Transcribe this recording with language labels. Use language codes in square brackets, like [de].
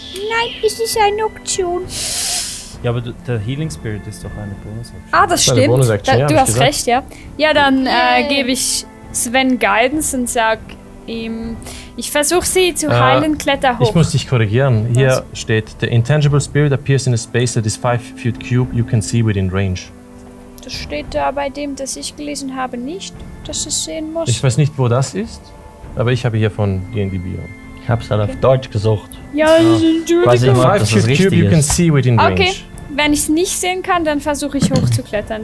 [de] Nein, es ist eine Option. Ja, aber der Healing Spirit ist doch eine Bonus-Action. Ah, das stimmt. Du hast recht, ja. Ja, dann gebe ich Sven Guidance und sag ihm, ich versuche sie zu heilen, kletter hoch. Ich muss dich korrigieren. Hier steht, [en] the intangible spirit appears in a space that is 5 feet cube you can see within range. [de] Das steht da bei dem, das ich gelesen habe, nicht, dass es sehen muss. Ich weiß nicht, wo das ist, aber ich habe hier von D&D Bio. Ich hab's halt auf Deutsch gesucht. Ja, das ist ein [en] Cube, you can see within range. [de] Okay, wenn ich es nicht sehen kann, dann versuche ich hochzuklettern.